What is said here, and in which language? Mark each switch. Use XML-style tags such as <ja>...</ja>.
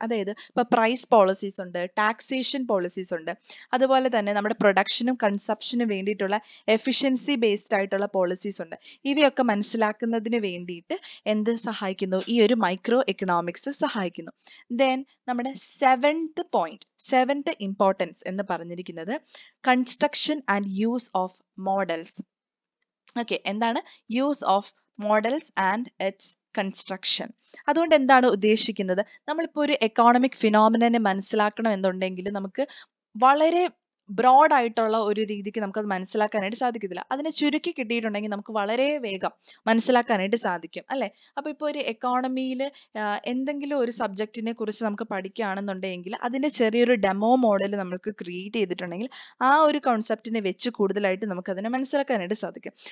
<ml>അതായത് ഇപ്പോൾ price policies ഉണ്ട്, ടാക്സേഷൻ പോളിസീസ് ഉണ്ട്, അതുപോലെ തന്നെ നമ്മുടെ പ്രൊഡക്ഷനും കൺസപ്ഷനും വേണ്ടിയിട്ടുള്ള എഫിഷ്യൻസി ബേസ്ഡ് ആയിട്ടുള്ള പോളിസീസ് ഉണ്ട്. ഇവയൊക്കെ മനസ്സിലാക്കുന്നതിന് വേണ്ടിയിട്ട് എന്ത് സഹായിക്കുന്നു ഈ ഒരു മൈക്രോ എക്കണോമിക്സ് സഹായിക്കുന്നു. ദെൻ നമ്മുടെ സെവൻത് പോയിന്റ്, സെവൻത് ഇമ്പോർട്ടൻസ് എന്ന് പറഞ്ഞിരിക്കുന്നത് construction and use of models.</ml> <en>Okay, and then use of models and its construction.</en> <ml>അതുകൊണ്ട് എന്താണ് ഉദ്ദേശിക്കുന്നത്? നമ്മളിപ്പോൾ ഒരു എക്കോണമിക് ഫിനോമിനനെ മനസ്സിലാക്കണം എന്നുണ്ടെങ്കിൽ നമുക്ക് വളരെ ബ്രോഡ് ആയിട്ടുള്ള ഒരു രീതിക്ക് നമുക്ക് അത് മനസ്സിലാക്കാനായിട്ട് സാധിക്കത്തില്ല. അതിനെ ചുരുക്കി കിട്ടിയിട്ടുണ്ടെങ്കിൽ നമുക്ക് വളരെ വേഗം മനസ്സിലാക്കാനായിട്ട് സാധിക്കും, അല്ലെ? അപ്പൊ ഇപ്പോൾ ഒരു എക്കോണമിയിൽ എന്തെങ്കിലും ഒരു സബ്ജക്റ്റിനെ കുറിച്ച് നമുക്ക് പഠിക്കുകയാണെന്നുണ്ടെങ്കിൽ അതിന്റെ ചെറിയൊരു ഡെമോ മോഡൽ നമുക്ക് ക്രിയേറ്റ് ചെയ്തിട്ടുണ്ടെങ്കിൽ ആ ഒരു കോൺസെപ്റ്റിനെ വെച്ച് കൂടുതലായിട്ട് നമുക്ക് അതിനെ മനസ്സിലാക്കാനായിട്ട് സാധിക്കും.</ml>